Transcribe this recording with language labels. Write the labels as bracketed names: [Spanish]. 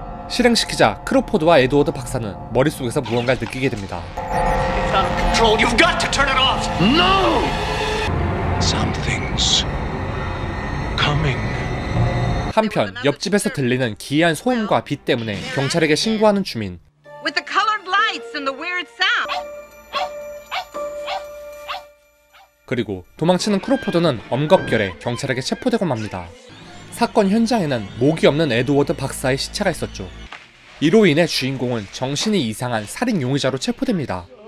[Korean] 실행시키자 크로포드와 에드워드 박사는 머릿속에서 무언가를 느끼게 됩니다. [English] You've got to turn it off. No. Something's coming. [Korean] 한편 옆집에서 들리는 기이한 소음과 빛 때문에 경찰에게 신고하는 주민. [English] With the colored lights and the weird sound. [Korean] 그리고 도망치는 크로포드는 엄격결에 경찰에게 체포되고 맙니다. 사건 현장에는 목이 없는 에드워드 박사의 시체가 있었죠. 이로 인해 주인공은 정신이 이상한 살인 용의자로 체포됩니다.